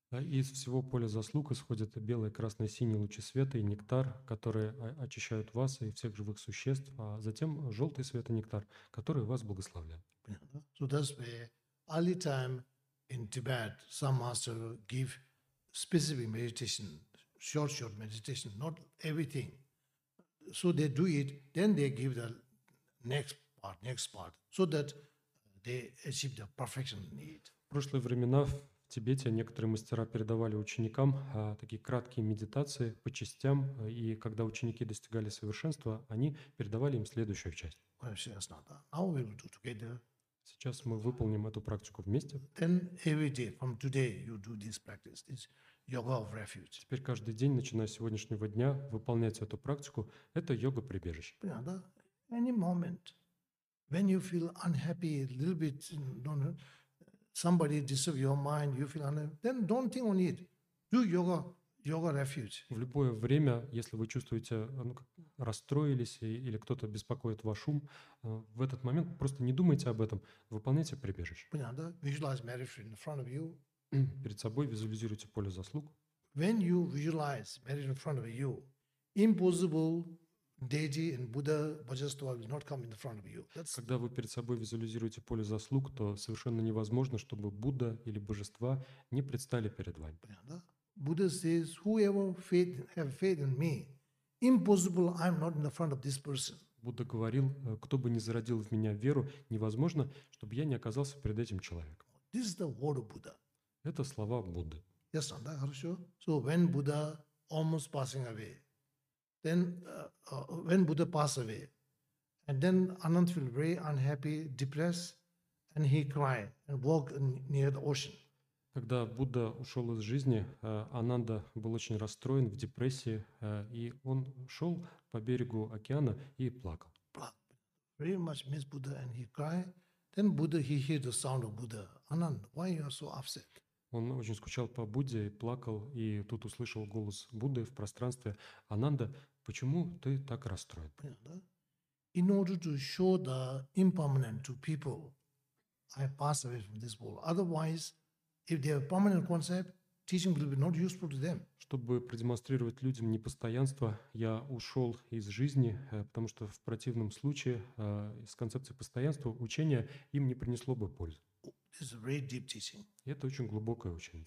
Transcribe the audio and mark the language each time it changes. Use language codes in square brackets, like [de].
[ru] Из всего поля заслуг исходят белые, красные, синие лучи света и нектар, которые очищают вас и всех живых существ, а затем желтый свет и нектар, который вас благословляет. [en] So that's why early time in Tibet, some master give specific meditation, short meditation, not everything. So they do it, then they give the next. So that they achieve the perfection need. [ru] В прошлые времена в Тибете некоторые мастера передавали ученикам такие краткие медитации по частям, и когда ученики достигали совершенства, они передавали им следующую часть. Сейчас мы выполним эту практику вместе. [en] Then every day from today you do this practice. This yoga of refuge. [ru] Теперь каждый день, начиная с сегодняшнего дня, выполнять эту практику – это йога прибежище. [en] Any moment. When you feel unhappy, a little bit, somebody disturbs your mind, you feel unhappy, then don't think on it. Do yoga, yoga refuge. [ru] В любое время, если вы чувствуете, расстроились или кто-то беспокоит ваш ум, в этот момент просто не думайте об этом, выполняйте прибежище. Понятно? [en] Visualize merit in front of you. [ru] Перед собой визуализируйте поле заслуг. [en] When you visualize merit in front of you, impossible. Deity and Buddha, Bodhisattva will not come in front of you. That's... [ru] Когда вы перед собой визуализируете поле заслуг, то совершенно невозможно, чтобы Будда или Божества не предстали перед вами. [en] Buddha says, whoever faith, have faith in me, impossible I'm not in the front of this person. [ru] Будда говорил, кто бы ни зародил в меня веру, невозможно, чтобы я не оказался перед этим человеком. [en] This is the word of Buddha. [ru] Это слова Будды. [en] Yes, [ru] да, хорошо. [en] So when Buddha almost passing away, then when Buddha passed away, and then Anant feel very unhappy, depressed, and he cried and walked near the ocean. [ru] Когда Будда ушел из жизни, Ананда был очень расстроен, в депрессии, и он шел по берегу океана и плакал. [en] Very much miss Buddha, and he cried. Then Buddha, he hear the sound of Buddha. Ananda, why you are so upset? [ru] Он очень скучал по Будде, плакал, и тут услышал голос Будды в пространстве. Ананда, почему ты так расстроен? [en] In order to show the impermanent to people, I pass away from this world. Otherwise, if they have a permanent concept, teaching will be not useful to them. [ru] Чтобы продемонстрировать людям непостоянство, я ушел из жизни, потому что в противном случае с концепцией постоянства учение им не принесло бы пользы. [en] This is a very deep teaching. [ru] Это очень глубокое учение.